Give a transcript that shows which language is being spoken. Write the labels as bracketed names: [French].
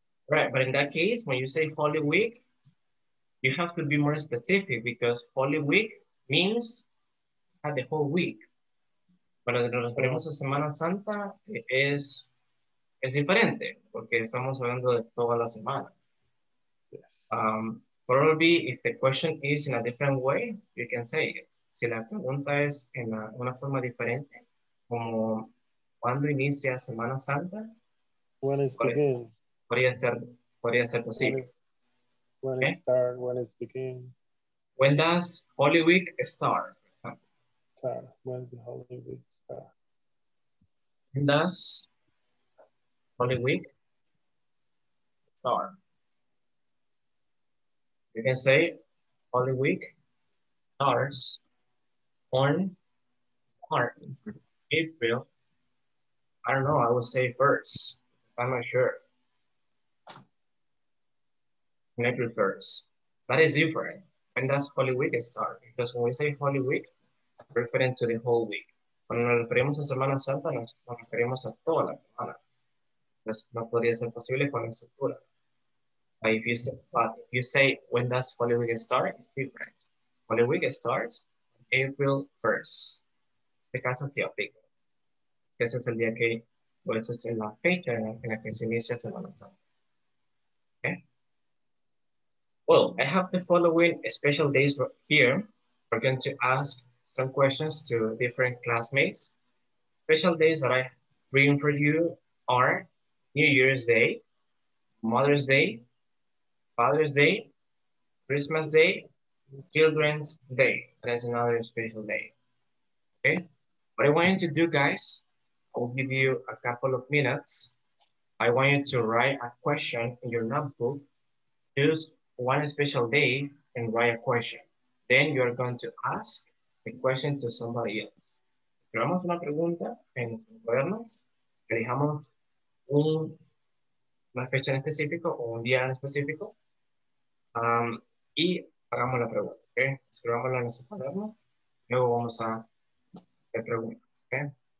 [English] Right, but in that case, when you say Holy Week, you have to be more specific because Holy Week means the whole week. [Spanish] Pero si nos referimos a Semana Santa, es diferente porque estamos hablando de toda la semana. [English] Yes. Probably, if the question is in a different way, you can say it. [Spanish] Si la pregunta es en una forma diferente, como ¿cuándo inicia Semana Santa? [English] When is begin? [Spanish] Podría ser posible. [English] When is start? When is begin? When does Holy Week start? When does Holy Week start? When does Holy Week start? You can say Holy Week starts on April. I don't know, I would say first. I'm not sure. On April 1st. That is different. When does Holy Week start? Because when we say Holy Week, we're referring to the whole week. Cuando nos referimos a Semana Santa, nos referimos a toda la semana. [Spanish] Entonces, no podría ser posible con la estructura. [English] But if you say, when does Holy Week start? It's different. Holy Week starts April 1st. The [Spanish] caso sí aplica. Ese es el día que, o esa es la fecha en la que se inicia Semana Santa. [English] Okay? Well, I have the following special days here. We're going to ask some questions to different classmates. Special days that I bring for you are New Year's Day, Mother's Day, Father's Day, Christmas Day, Children's Day. That is another special day. Okay? What I want you to do, guys, I'll give you a couple of minutes. I want you to write a question in your notebook. Use one special day and write a question. Then you're going to ask the question to somebody else. [Spanish] Creamos una pregunta en nuestros cuadernos, elijamos una fecha en específico o un día en específico, y hagamos la pregunta, okay? Escribámosla en nuestro cuaderno, luego vamos a hacer preguntas, okay?